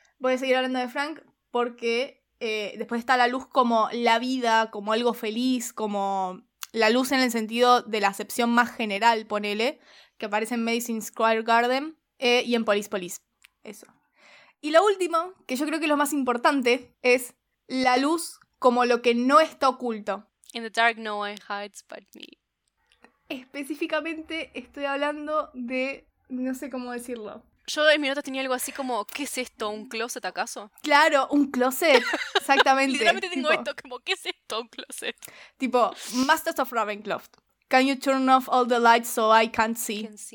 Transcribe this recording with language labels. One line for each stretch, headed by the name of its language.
Spanish: Voy a seguir hablando de Frank porque después está la luz como la vida, como algo feliz, como la luz en el sentido de la acepción más general, ponele, que aparece en Madison Square Garden y en Police Police. Eso. Y lo último, que yo creo que es lo más importante, es la luz como lo que no está oculto.
English: In the dark no one hides but me.
Spanish: Específicamente estoy hablando de, no sé cómo decirlo. Yo en mi nota tenía algo así como, ¿qué es esto? ¿Un closet acaso? Claro, un closet, exactamente. Literalmente tengo tipo, esto como, ¿qué es esto? ¿Un closet? Tipo, Masters of Ravenloft.
English: Can you turn off all the lights so I can't see?